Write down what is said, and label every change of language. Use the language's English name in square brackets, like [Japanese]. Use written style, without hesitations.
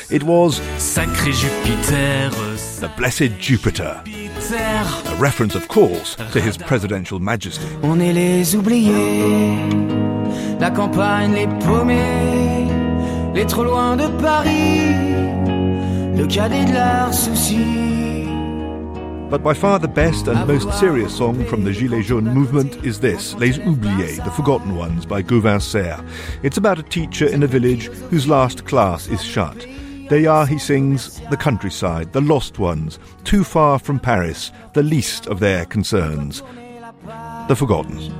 [English] It was Sacré Jupiter, the blessed Jupiter. A reference, of course, to his presidential majesty. [French] On est les oubliés, la campagne, les paumés, les trop loin de Paris, le cadet de leurs soucis. [English] But by far the best and most serious song from the Gilets Jaunes movement is this, Les Oubliés, The Forgotten Ones, by Gauvin Serre. It's about a teacher in a village whose last class is shut. They are, he sings, the countryside, the lost ones, too far from Paris, the least of their concerns, the forgotten.